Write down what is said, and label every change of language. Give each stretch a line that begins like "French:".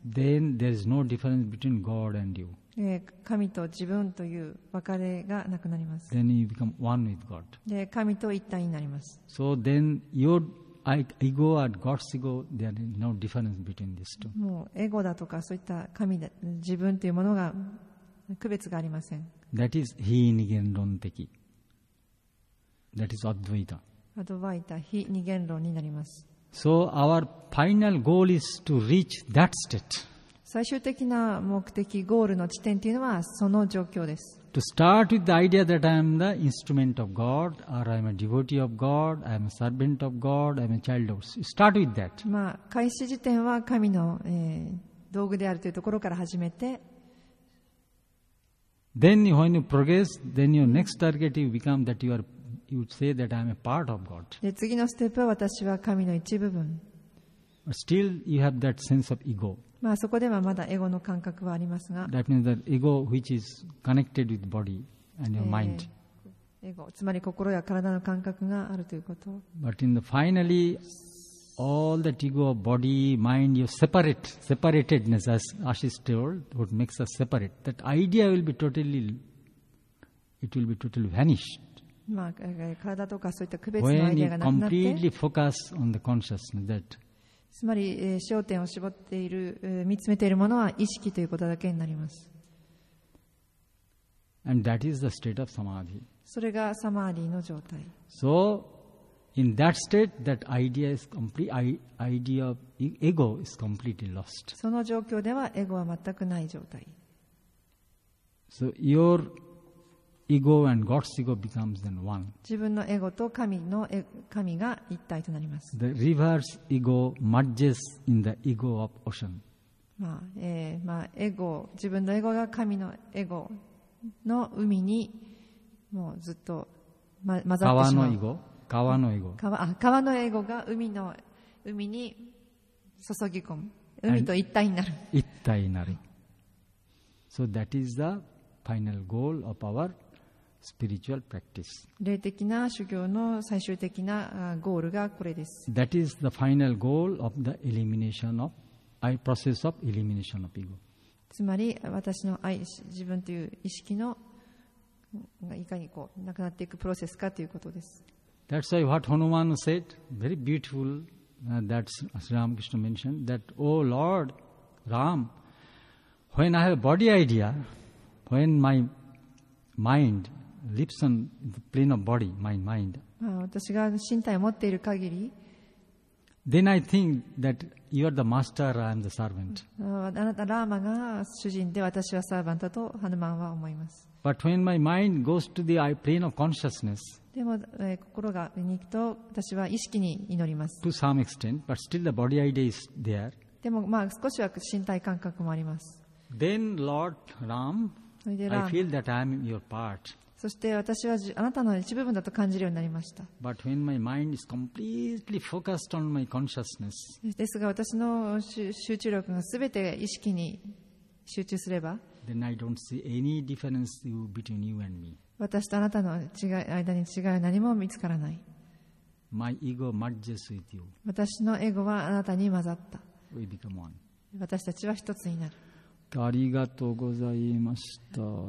English: Then there is no difference between God and you.
Japanese: 神と自分という分かれがなくなります。
English: Then you become one with God.
Japanese: 神と一体になります。
English: So then your ego and God's ego, there is no difference between these two.
Japanese: もうエゴだとかそういった神だ、自分というものが区別がありません。
English: That is 非二元論的。That is Advaita.
Japanese: Advaita 非二元論になります。
English: So our final goal is to reach that state.
Japanese: 最終的な目的、ゴールの地点というのはその状況です。
English: To start with the idea that I am the instrument of God, or I am a devotee of God, I am a servant of God, I am a child of God. Start with that.
Japanese: まあ開始時点は神の、道具であるというところから始めて。
English: Then when you progress, then your next target you become that you are, you say that I am a part of God.
Japanese: で次のステップは私は神の一部分。
English: Still you have that sense of ego.
Japanese: まあそこではまだエゴの感覚はありますが。
English: That means that ego which is connected with body and your mind.
Japanese: エゴ、つまり心や体の感覚があるということ。
English: But in the finally, all that ego of body, mind, your separate, separatedness, as Ashish told, what makes us separate, that idea will be totally, it will be totally vanished.
Japanese: まあ、体とかそういった区別のアイデアがなくなって、
English: when you completely focus on the consciousness, that,
Japanese: つまり、焦点を絞っている、見つめているものは意識ということだけになります。
English: And that is the state of samadhi.
Japanese: それがサマーディの状態。
English: So,In that state, that idea is complete. Idea of ego is completely lost.
Japanese: その状況ではエゴは全くない状態。
English: So your ego and God's ego becomes then one.
Japanese: 自分のエゴと神の神が一体となります。
English: The reverse ego merges in the ego of ocean.
Japanese: まあ、まあエゴ、自分のエゴが神のエゴの海にもうずっと、ま、混ざってしまう。川のエゴ。川のエゴ。川のエゴが海の海に注ぎ込む。海と一体になる。一体になる。
English: So that is the final goal of our spiritual practice.
Japanese: 霊的な修行の最終的なゴールがこれです。
English: That is the final goal of the elimination of, I process of elimination of ego.
Japanese: つまり私の愛、自分という意識のいかにこうなくなっていくプロセスかということです。
English: That's why what Hanuman said, very beautiful, that Sri Ramakrishna mentioned, that, Oh Lord, Ram, when I have a body idea, when my mind, lives in the plane of body, my mind.
Japanese: 私が身体を持っている限り、
English: then I think that you are the master, I am the servant.
Japanese: あなたラーマが主人で私はサーバントとハヌマンは思います。
English: But when my mind goes to the plane of consciousness,
Japanese: でも、心が見に行くと私は意識に祈ります。
English: To some extent, but still the body idea is there.
Japanese: でも、まあ、少しは身体感覚もあります。
English: Then Lord Ram, I feel that I am your part.
Japanese: そして私はあなたの一部分だと感じるようになりました。
English: But when my mind is completely focused on my consciousness,
Japanese: ですが私の集中力がすべて意識に集中すれば、
English: then I don't see any difference between you and me.
Japanese: 私とあなたの間に違いは何も見つからない。
English: My ego merges with you.
Japanese: 私のエゴはあなたに混ざった。
English: We become one.
Japanese: 私たちは一つになる。ありがとうございました。